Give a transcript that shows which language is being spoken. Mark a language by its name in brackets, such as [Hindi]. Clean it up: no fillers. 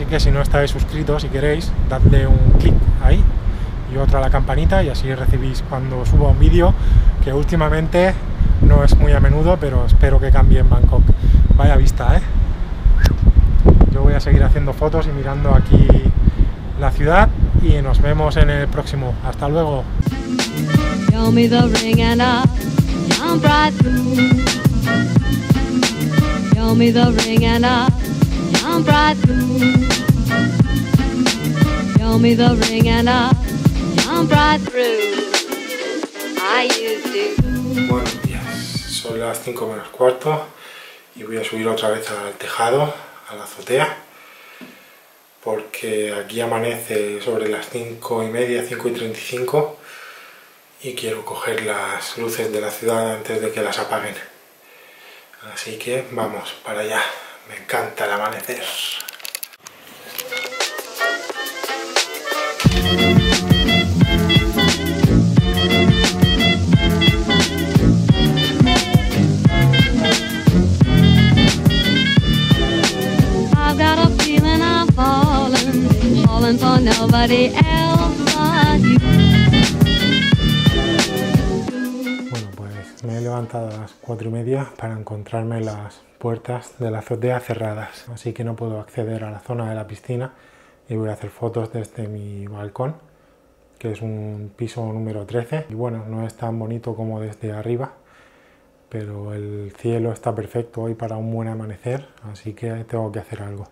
[Spanish] Así que si no estáis suscritos, si queréis, dadle un clic ahí y otro a la campanita, y así recibís cuando suba un vídeo, que últimamente no es muy a menudo, pero espero que cambie en Bangkok. Vaya vista, ¿eh? Yo voy a seguir haciendo fotos y mirando aquí la ciudad, y nos vemos en el próximo. ¡Hasta luego! [English] Show me the ring and I'll jump right through. Show me the ring and I'll jump right through. Show me the ring and I'll jump right through. I used to. [Spanish] Buenos días, son las 5 menos cuarto y voy a subir otra vez al tejado, a la azotea, porque aquí amanece sobre las 5 y media, 5 y 35. Y quiero coger las luces de la ciudad antes de que las apaguen. Así que vamos para allá. Me encanta el amanecer. [English] I've got a feeling I'm falling for nobody else but you. [Spanish] Me he levantado a las 4 y media para encontrarme las puertas de la azotea cerradas, así que no puedo acceder a la zona de la piscina y voy a hacer fotos desde mi balcón, que es un piso número 13. Y bueno, no es tan bonito como desde arriba, pero el cielo está perfecto hoy para un buen amanecer, así que tengo que hacer algo.